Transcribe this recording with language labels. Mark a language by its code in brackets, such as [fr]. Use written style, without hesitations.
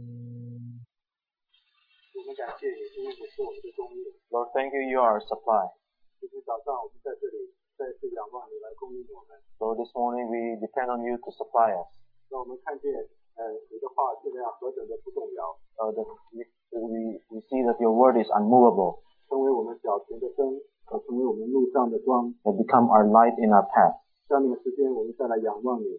[zh] 们感谢你，今天也是我们的供应。 [en] Lord, thank you, you are our supply. [zh] 今天早上我们在这里再次仰望你来供应我们。 [en] Lord, this morning we depend on you to supply us. [zh] 让我们看见，你的话质量何等的不动摇。 [en] We see that your word is unmovable. [zh] 成为我们脚前的灯，成为我们路上的光。 [en] And become our light in our path. [zh] 下面的时间我们再来仰望你。